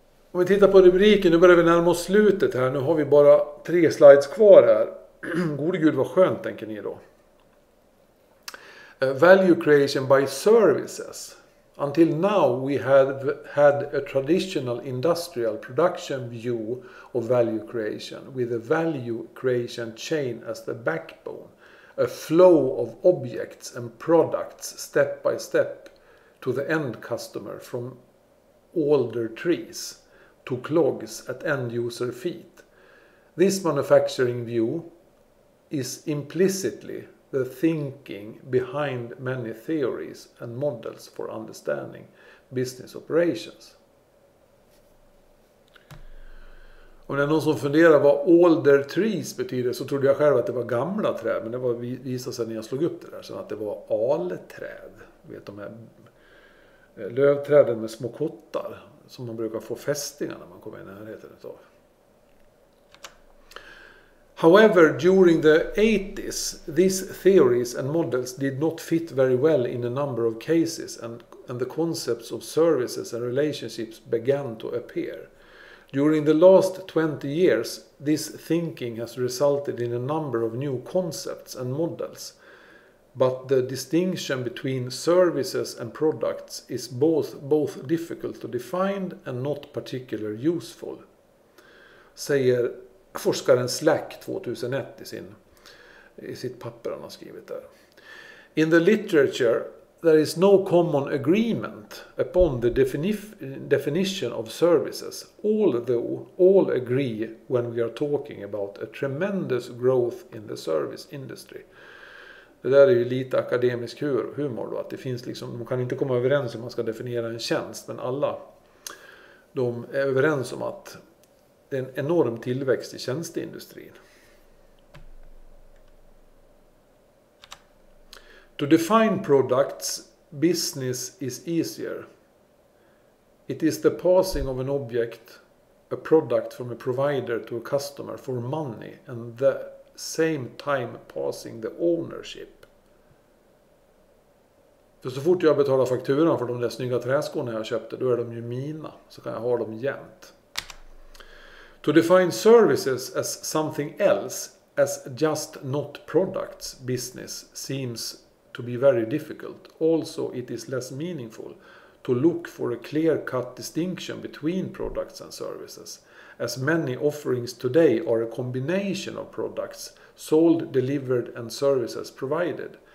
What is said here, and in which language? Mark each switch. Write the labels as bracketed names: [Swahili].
[Swedish] Om vi tittar på rubriken, nu börjar vi närma oss slutet här. Nu har vi bara 3 slides kvar här. Gode Gud, vad skönt, tänker ni då. [English] Value creation by services. Until now we have had a traditional industrial production view of value creation with a value creation chain as the backbone. A flow of objects and products step by step to the end customer from older trees to clogs at end user feet. This manufacturing view is implicitly the thinking behind many theories and models for understanding business operations. [Swedish] Om det är någon som funderar vad older trees betyder, så trodde jag själv att det var gamla träd, men det var visade sig när jag slog upp det där så att det var alträd. Vet de här lövträden med små kottar som man brukar få fästingar när man kommer i närheten av. [English] However, during the 80s, these theories and models did not fit very well in a number of cases and the concepts of services and relationships began to appear. During the last 20 years, this thinking has resulted in a number of new concepts and models. But the distinction between services and products is both difficult to define and not particularly useful, [Swedish] säger forskaren Slack 2001 i sitt papper han har skrivit där. [English] In the literature, there is no common agreement upon the definition of services, although all agree when we are talking about a tremendous growth in the service industry. [Swedish] Det där är ju lite akademisk humor då, att det finns liksom, man kan inte komma överens om man ska definiera en tjänst, men alla de är överens om att det är en enorm tillväxt i tjänsteindustrin. [English] To define products, business is easier. It is the passing of an object, a product from a provider to a customer for money and the same time passing the ownership. [Swedish] För så fort jag betalar fakturan för de där snygga träskorna jag köpte, då är de ju mina, så kan jag ha dem jämt. [English] To define services as something else, as just not products, business, seems to be very difficult. Also, it is less meaningful to look for a clear-cut distinction between products and services, as many offerings today are a combination of products sold, delivered and services provided.